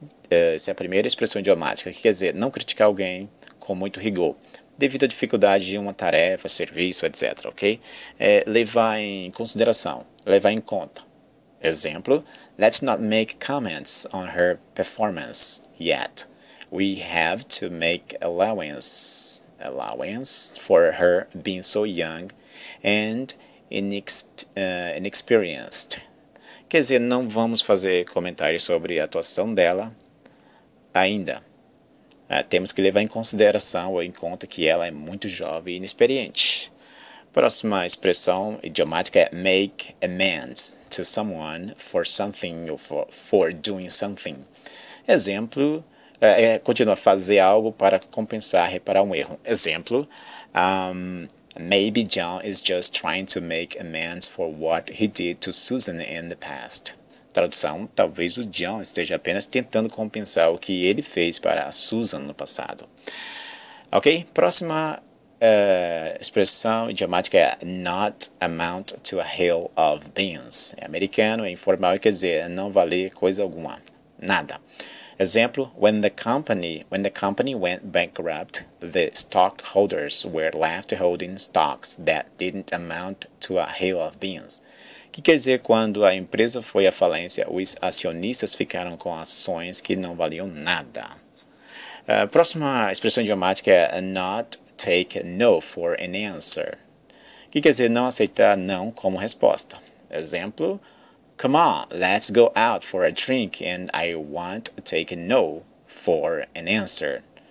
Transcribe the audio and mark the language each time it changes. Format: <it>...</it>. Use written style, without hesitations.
<pt>Essa é a primeira expressão idiomática, que quer dizer não criticar alguém com muito rigor, devido à dificuldade de uma tarefa, serviço, etc. Ok? Levar em consideração, levar em conta.</pt> <en>Exemplo, let's not make comments on her performance yet. We have to make allowance for her being so young and inexperienced.</en> <pt>Quer dizer, não vamos fazer comentários sobre a atuação dela ainda. Temos que levar em consideração ou em conta que ela é muito jovem e inexperiente. Próxima expressão idiomática é make amends to someone for something or for doing something. Exemplo, continua, fazer algo para compensar, reparar um erro.</pt> <en>Exemplo, maybe John is just trying to make amends for what he did to Susan in the past.</en> <pt>Tradução, talvez o John esteja apenas tentando compensar o que ele fez para a Susan no passado. Ok, próxima expressão idiomática é not amount to a hill of beans. É americano, é informal e quer dizer não valer coisa alguma, nada.</pt> <en>Exemplo, when the company went bankrupt, the stockholders were left holding stocks that didn't amount to a hill of beans.</en> <pt>Que quer dizer, quando a empresa foi à falência, os acionistas ficaram com ações que não valiam nada. Próxima expressão idiomática é not take no for an answer. Que quer dizer, não aceitar não como resposta. Exemplo,</pt> <en>come on, let's go out for a drink and I won't take no for an answer.</en>